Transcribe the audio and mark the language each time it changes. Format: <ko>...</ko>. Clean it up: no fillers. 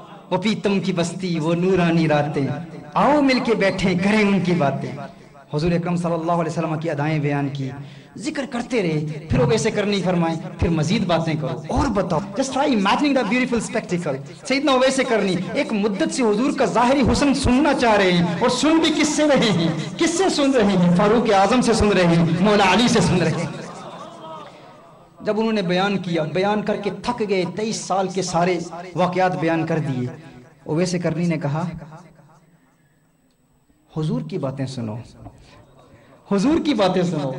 <ur>وہ پیتم کی بستی وہ نورانی راتیں, آؤ مل کے بیٹھیں کریں ان کی باتیں. حضور اکرم صلی اللہ علیہ وسلم کی ادائیں بیان کی, ذکر کرتے رہے, پھر وہ ویسے کرنی فرمائے, پھر مزید باتیں کرو اور بتاؤ.</ur> <en>Just try imagining that beautiful spectacle.</en> <ur>سیدنا ویسے کرنی ایک مدت سے حضور کا ظاہری حسن سننا چاہ رہے ہیں, اور سن بھی کس سے رہے ہیں, کس سے سن رہے ہیں, فاروق اعظم سے سن رہے ہیں, مولا علی سے سن رہے ہیں. جب انہوں نے بیان کیا, بیان کر کے تھک گئے, 23 سال کے سارے واقعات بیان کر دیے, ویسے کرنی نے کہا حضور کی باتیں سنو, حضور کی باتیں سنو.</ur>